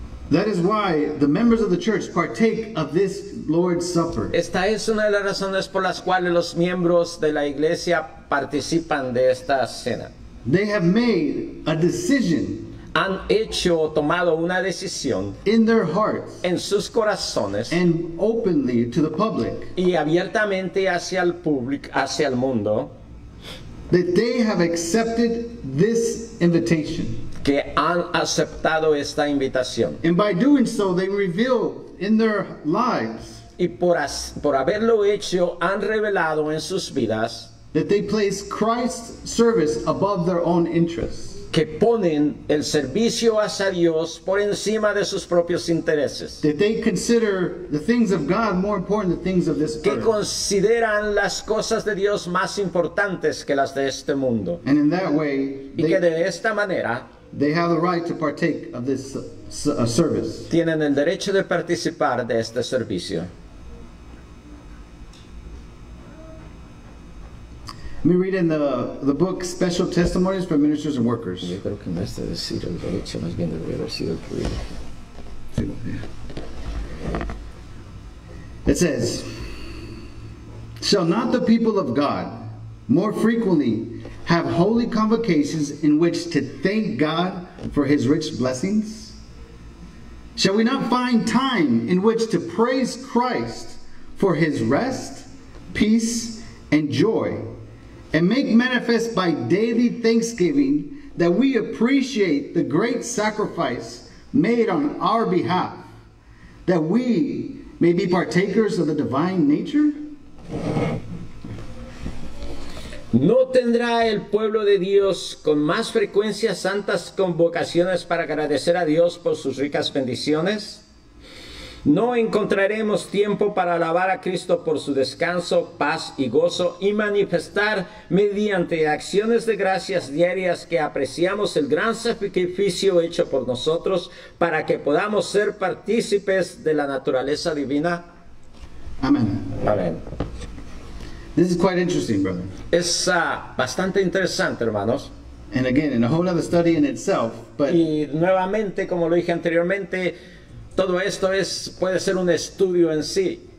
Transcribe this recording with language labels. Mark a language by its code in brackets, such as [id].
[en] that is why the members of the church partake of this Lord's Supper. [es] Esta es una de las razones por las cuales los miembros de la iglesia participan de esta cena. [en] They have made a decision. [es] Han hecho o tomado una decisión [en] in their hearts, [es] en sus corazones, [en] and openly to the public, [es] y abiertamente hacia el público, hacia el mundo, [en] that they have accepted this invitation. [es] Que han aceptado esta invitación. [en] And by doing so, they reveal in their lives, [es] y por haberlo hecho, han revelado en sus vidas, [en] that they place Christ's service above their own interests. [es] Que ponen el servicio hacia Dios por encima de sus propios intereses. [en] That they consider the things of God more important than the things of this [es] que [en] earth. [es] Consideran las cosas de Dios más importantes que las de este mundo. [en] And in that way, [es] y que de esta manera, [en] they have the right to partake of this service. [es] Tienen el derecho de participar de este servicio. [en] Let me read in the book Special Testimonies for Ministers and Workers. [es] Yo creo que no es de decir el derecho, más bien debería haber sido el privilegio. [en] It says, shall not the people of God more frequently have holy convocations in which to thank God for his rich blessings? Shall we not find time in which to praise Christ for his rest, peace, and joy, and make manifest by daily thanksgiving that we appreciate the great sacrifice made on our behalf, that we may be partakers of the divine nature? [es] ¿No tendrá el pueblo de Dios con más frecuencia santas convocaciones para agradecer a Dios por sus ricas bendiciones? ¿No encontraremos tiempo para alabar a Cristo por su descanso, paz y gozo y manifestar mediante acciones de gracias diarias que apreciamos el gran sacrificio hecho por nosotros para que podamos ser partícipes de la naturaleza divina? Amén. Amén. [en] This is quite interesting, brother. [es] Es bastante interesante, hermanos. [en] And again, in a whole other study in itself, but [es] y nuevamente, como lo dije anteriormente, todo esto es puede ser un estudio en sí.